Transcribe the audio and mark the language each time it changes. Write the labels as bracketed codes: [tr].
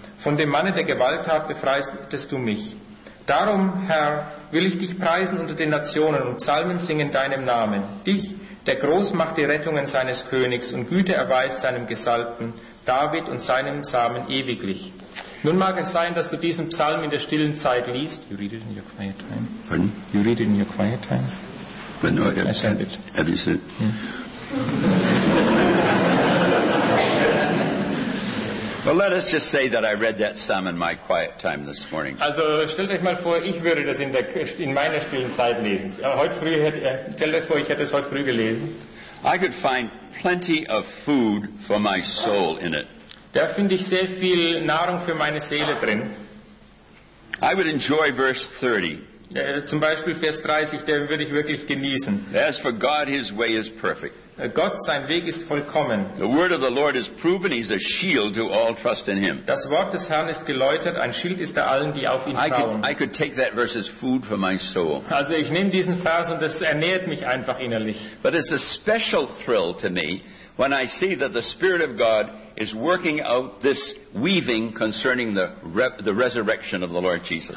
[de] Von dem Manne der Gewalttat befreistest du mich. Darum, Herr, will ich dich preisen unter den Nationen und Psalmen singen deinem Namen. Dich, der groß macht die Rettungen seines Königs und Güte erweist seinem Gesalbten, David und seinem Samen ewiglich. Nun mag es sein, dass du diesen Psalm in der stillen Zeit liest. [en] You read it in your quiet time. Pardon? You read it in your quiet time. But no, I said it. Have you said it? Well, let us just say that I read that psalm in my quiet time this morning. [de] Also stellt euch mal vor, ich würde das in meiner stillen Zeit lesen. Stellt euch vor, ich hätte es heute früh gelesen. [en] I could find plenty of food for my soul in it. [de] Da finde ich sehr viel Nahrung für meine Seele drin. [en] I would enjoy verse 30. [de] Zum Beispiel Vers 30, den würde ich wirklich genießen. [en] As for God, his way is perfect. [de] Gott, sein Weg ist vollkommen. [en] The word of the Lord is proven, he's a shield to all trust in him. [de] Das Wort des Herrn ist geläutert, ein Schild ist er allen, die auf ihn vertrauen. [en] I could take that verse as food for my soul. [de] Also ich nehme diesen Vers und das ernährt mich einfach innerlich. [en] But it's a special thrill to me when I see that the Spirit of God is working out this weaving concerning the resurrection of the Lord Jesus.